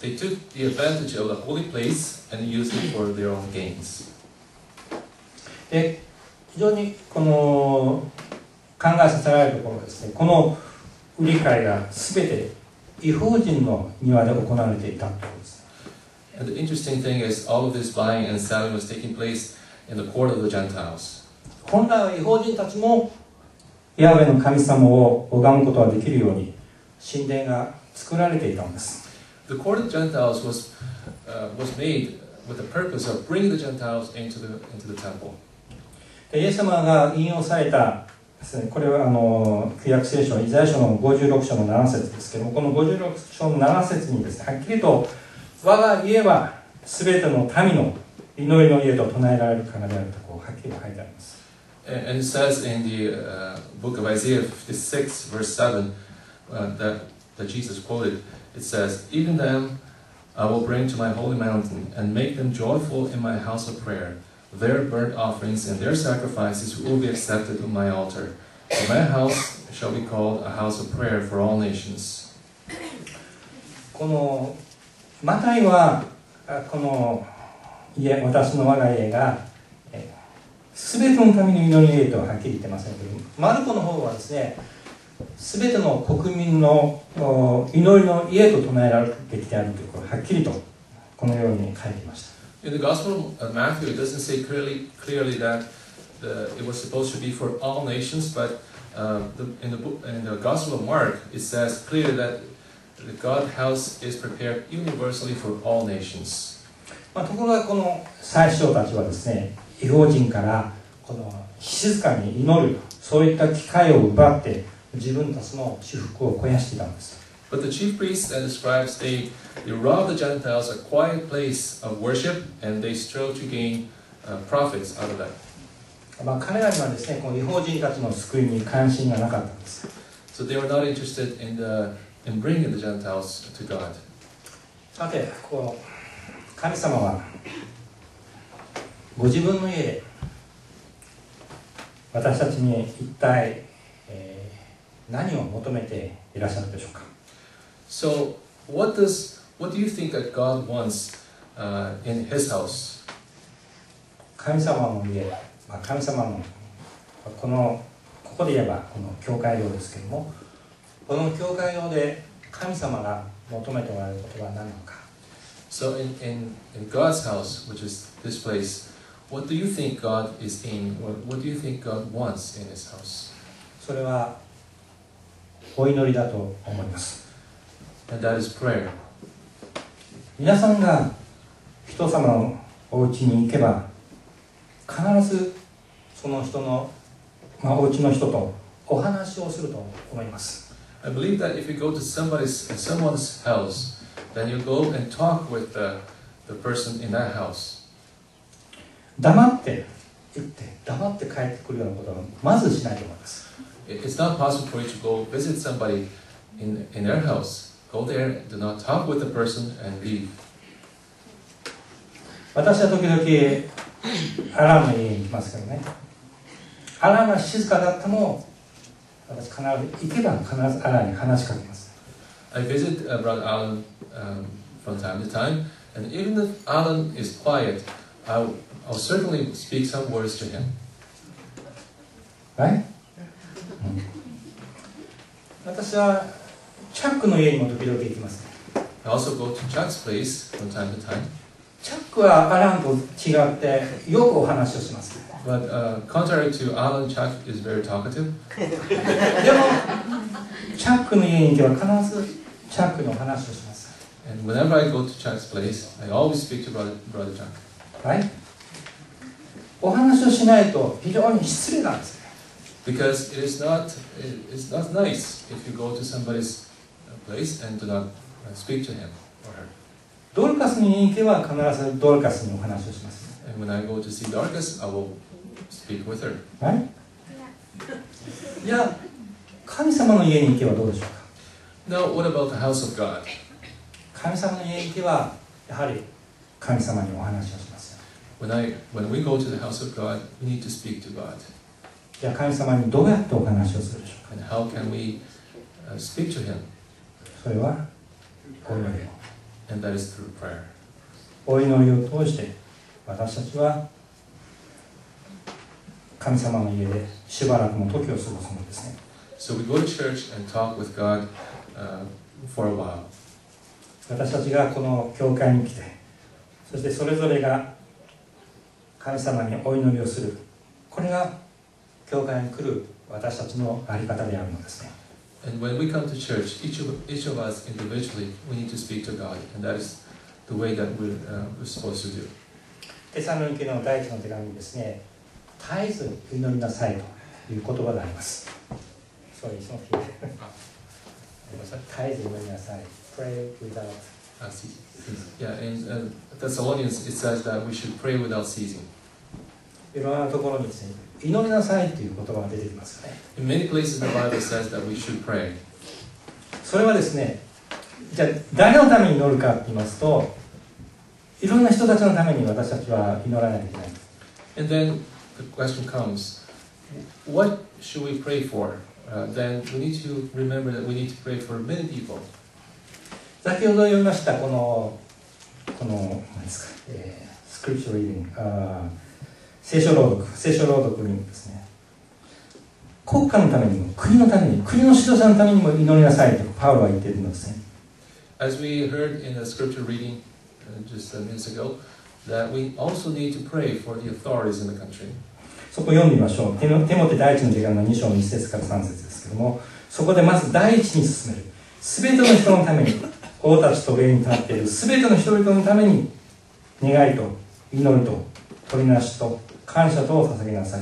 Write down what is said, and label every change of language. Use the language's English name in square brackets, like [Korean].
[English] They took the advantage of the holy place and used it for their own gains. [Japanese] で、非常にこの考えさせられるところですね。この売り買いがすべて異邦人の庭で行われていたということです。 [English] And the interesting thing is, all of this buying and selling was taking place in the court of the Gentiles. [Japanese] 本来は異邦人たちもヤウェの神様を拝むことができるように神殿が作られていたんです。 [English] The court of Gentiles was made with the purpose of bringing the Gentiles into the temple. [Japanese] で、イエス様が引用されたですね、これは旧約聖書イザヤ書の56章の7節ですけども、この56章の7節にですね、はっきりと我が家は全ての民の祈りの家と唱えられるからであるとこうはっきりと書いてあります。 [English] And it says in the book of Isaiah 56 verse 7 that Jesus quoted. It says, Even them I will bring to my holy mountain and make them joyful in my house of prayer. their burnt offerings and their sacrifices will be accepted on my altar. And my house shall be called a house of prayer for all nations. [Japanese] このマタイはこの家、私の我が家が全てのために祈りの家とはっきり言ってませんけど、マルコの方はですね、全ての国民の祈りの家と唱えられてきてあるというこれはっきりとこのように書いていました。 [English] In the Gospel of Matthew, it doesn't say clearly that it was supposed to be for all nations, but in the Gospel of Mark, it says clearly that the God house is prepared universally for all nations. [Japanese] まあ、ところがこの宰相たちはですね、異邦人からこの静かに祈る、そういった機会を奪って自分たちの祝福を肥やしていたんです。 [English] But the chief priests and the scribes, they robbed the Gentiles a quiet place of worship, and they strove to gain profits out of that. [Japanese] まあ彼らにはですね、この異邦人たちの救いに関心がなかったんです。 [English] So they were not interested in bringing the Gentiles to God. [Japanese] さて、こう神様はご自分の家で私たちに一体、何を求めていらっしゃるでしょうか。 [English] So, what do you think that God wants in His house? [Japanese] 神様の家、まあ、神様のこのここで言えばこの教会堂ですけれども、この教会堂で神様が求めておられることは何なのか。 [English] So in God's house, which is this place, what do you think God is in? What do you think God wants in His house? [Japanese] それはお祈りだと思います。 [English] And that is prayer. [Japanese] 皆さんが人様のお家に行けば、必ずその人の、まあ、お家の人とお話をすると思います。 [English] I believe that if you go to someone's house, then you go and talk with the person in that house. [Japanese] 黙って言って、黙って帰ってくるようなことはまずしないと思います。 [English] It's not possible for you to go visit somebody in their house. Go there, do not talk with the person and leave. [Japanese] 私は時々アラームの家に行きますけどね。アラームが静かだったも、私必ず行けば必ずアラームに話しかけます。 [English] I visit Brother Alan from time to time, and even if Alan is quiet, I'll certainly speak some words to him. Right? [Japanese] 私はチャックの家にも時々行きます。 [English] I also go to Chuck's place from time to time. [Japanese] チャックはアランと違ってよくお話をします。 [English] But contrary to Alan, Chuck is very talkative. [Japanese] でもチャックの家に行けば必ずチャックの話をします。 [English] And whenever I go to Chuck's place, I always speak to Brother Chuck. Right? [Japanese] お話をしないと非常に失礼なんです。 [English] Because it's not nice if you go to somebody's place and do not speak to him or her. [Japanese] ドルカスに行けば必ずドルカスにお話をします。 [English] And when I go to see Dorcas, I will speak with her. Right? Yeah. [Japanese] 神様の家に行けばどうでしょうか? [English] Now, what about the house of God? [Japanese] 神様の家に行けば、やはり神様にお話をします。 [English] When we go to the house of God, we need to speak to God. [Japanese] じゃあ神様にどうやってお話をするでしょうか? [English] And how can we speak to Him? [Japanese] それは、お祈りを。 [English] And that is through prayer. [Japanese] お祈りを通して、私たちは神様の家でしばらくの時を過ごすのですね。 [English] So we go to church and talk with God, for a while. [Japanese] 私たちがこの教会に来て、そしてそれぞれが神様にお祈りをする。これが教会に来る私たちのあり方であるのですね。 [English] And when we come to church, each of us individually, we need to speak to God, and that is the way that we're supposed to do. [Japanese] テサロニケの第一の手紙にですね、絶えず祈りなさいという言葉があります。そういつも聞いて。絶えず祈りなさい。 [English] Pray without ceasing. Yeah, in Thessalonians it says that we should pray without ceasing. [Japanese] いろんなところにですね、祈りなさいという言葉が出てきますね。 [English] In many places the Bible says that we should pray. [Japanese] それはですね、じゃあ誰のために祈るかと言いますと、いろんな人たちのために私たちは祈らないといけない。 [English] And then the question comes, what should we pray for? Then we need to remember that we need to pray for many people. [Japanese] 先ほど読みましたこの、この、何ですか、スクリプチャーリーディング、聖書朗読にですね、国家のためにも、国のために、国の指導者のためにも祈りなさいと、パウロは言っているのですね。 [English] As we heard in the scripture reading just a minute ago, that we also need to pray for the authorities in the country. [Japanese] そこ読んでみましょう。テモテ第一の手紙の2章の1節から3節ですけども、そこでまず第一に進める。すべての人のために、王たちと上に立っているすべての人々のために、願いと祈りと取りなしと感謝とを捧げなさい。